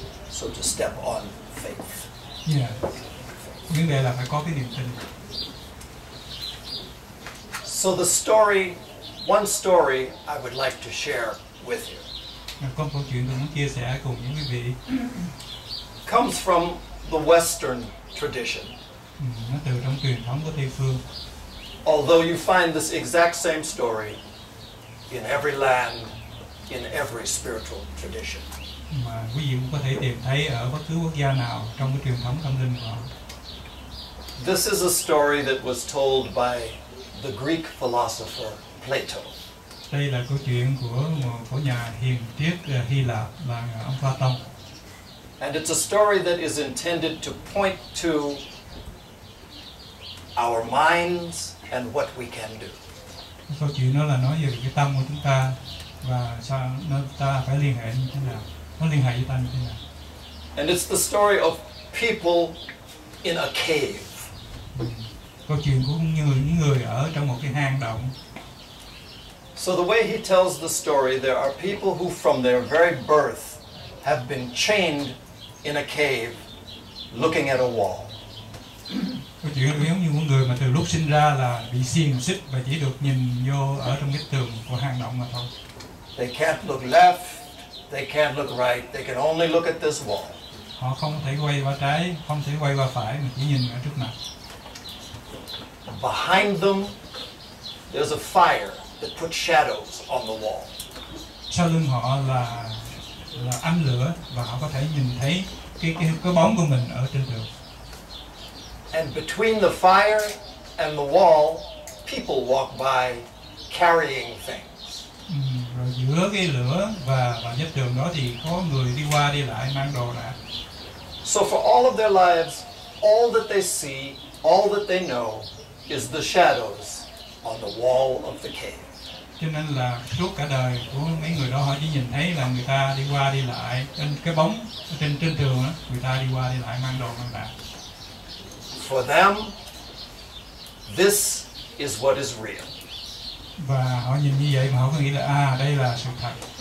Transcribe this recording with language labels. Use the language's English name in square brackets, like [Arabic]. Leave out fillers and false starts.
[English] So to step on faith. Yeah. [Vietnamese] Vấn đề là phải có cái niềm tin. [English] So the story, one story I would like to share with you. [Vietnamese] Có một câu chuyện tôi muốn chia sẻ cùng những quý vị. [English] Comes from the Western tradition. [Vietnamese] Nó từ trong truyền thống của Tây phương. [English] Although you find this exact same story in every land, in every spiritual tradition. [Vietnamese] Mà quý vị cũng có thể tìm thấy ở bất cứ quốc gia nào trong cái truyền thống tâm linh của họ. [English] This is a story that was told by the Greek philosopher Plato. [Vietnamese] Đây là câu chuyện của nhà hiền triết Hy Lạp là ông Plato. [English] And it's a story that is intended to point to our minds and what we can do. [Vietnamese] Câu chuyện đó là nói về cái tâm của chúng ta và sao ta phải liên hệ như thế nào, nó liên hệ với ta như thế nào. [English] And it's the story of people in a cave. [Vietnamese] Câu chuyện của những người ở trong một cái hang động. [English] So the way he tells the story, there are people who from their very birth have been chained in a cave looking at a wall. [Vietnamese] Câu chuyện giống như một người mà từ lúc sinh ra là bị xiềng xích và chỉ được nhìn vô ở trong cái tường của hang động mà thôi. [English] They can't look left, they can't look right, they can only look at this wall. [Vietnamese] Họ không thể quay qua trái, không thể quay qua phải, mà chỉ nhìn ở trước mặt. [English] Behind them, there's a fire that put shadows on the wall. [Vietnamese] Sau lưng họ là ánh lửa và họ có thể nhìn thấy cái bóng của mình ở trên tường. [English] And between the fire and the wall, people walk by carrying things. [Vietnamese] Rồi giữa cái lửa và giữa tường đó thì có người đi qua đi lại mang đồ đạc. [English] So for all of their lives, all that they see, all that they know is the shadows on the wall of the cave. [Vietnamese] Cho nên là suốt cả đời của mấy người đó họ chỉ nhìn thấy là người ta đi qua đi lại trên cái bóng trên tường á, người ta đi qua đi lại mang đồ mang đạc. [English] For them, this is what is real. [Vietnamese] Và họ nhìn như vậy mà họ có nghĩ là đây là sự thật.